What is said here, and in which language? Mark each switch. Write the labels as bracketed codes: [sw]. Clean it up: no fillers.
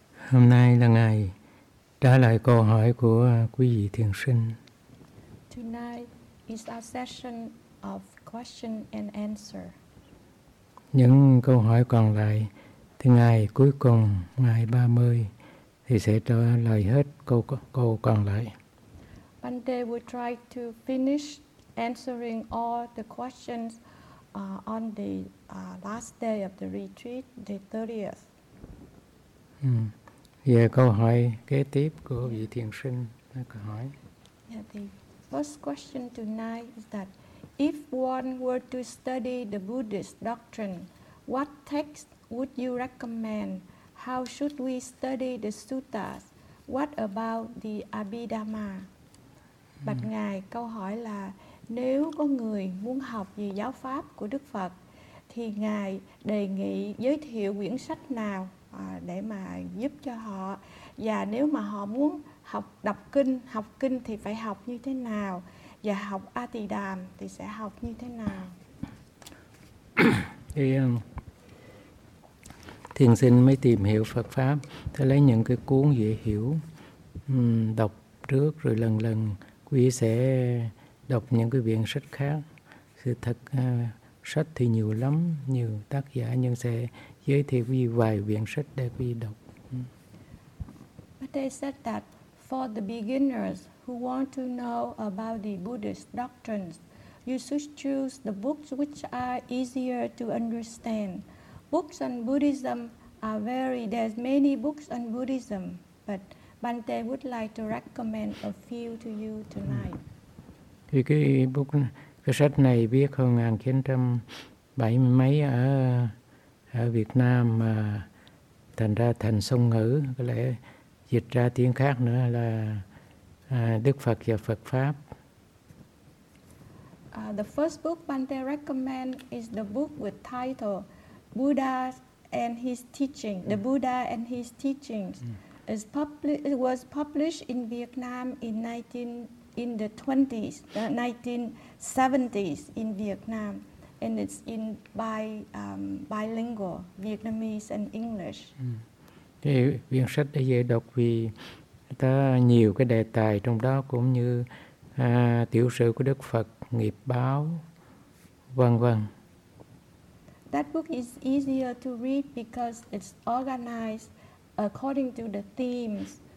[vi] Hôm nay là ngày trả lời câu hỏi của quý vị thiền sinh. [en] Tonight is our session of question and answer. [vi] Những câu hỏi còn lại thì ngày cuối cùng, ngày 30, thì sẽ trả lời hết câu còn lại. [en] Bhante will try to finish answering all the questions on the last day of the retreat, the 30th. [vi] Về câu hỏi kế tiếp của vị thiền sinh đã có hỏi. [en] Yeah, the first question tonight is that if one were to study the Buddhist doctrine, what text would you recommend? How should we study the suttas? What about the Abhidhamma? [vi] Bạch Ngài, câu hỏi là nếu có người muốn học về giáo pháp của Đức Phật, thì Ngài đề nghị giới thiệu quyển sách nào để mà giúp cho họ? Và nếu mà họ muốn học đọc kinh, học kinh thì phải học như thế nào? Và học A Tỳ Đàm thì sẽ học như thế nào? Thiền sinh mới tìm hiểu Phật Pháp, thì lấy những cái cuốn dễ hiểu, đọc trước rồi lần lần quý sẽ đọc những cái quyển sách khác. Sự thật, sách thì nhiều lắm, nhiều tác giả, nhưng sẽ giới thiệu quý vài quyển sách để quý đọc. [en] But they said that for the beginners who want to know about the Buddhist doctrines, you should choose the books which are easier to understand. Books on Buddhism are very, there's many books on Buddhism, but Bhante would like to recommend a few to you tonight. [vi] Thì cái sách này viết hơn 1970 mấy ở Việt Nam mà thành ra thành song ngữ, có lẽ dịch ra tiếng khác nữa là Đức Phật và Phật Pháp. [en] The first book Bhante recommend is the book with title Buddha and His Teaching. The Buddha and His Teachings is it was published in Vietnam in the 1970s in Vietnam, and it's in bilingual Vietnamese and English. [vi] Cái quyển sách đó dễ đọc vì ta nhiều cái đề tài trong đó, cũng như tiểu sử của Đức Phật, nghiệp báo, vân vân. [en] That book is easier to read because it's organized according to the themes.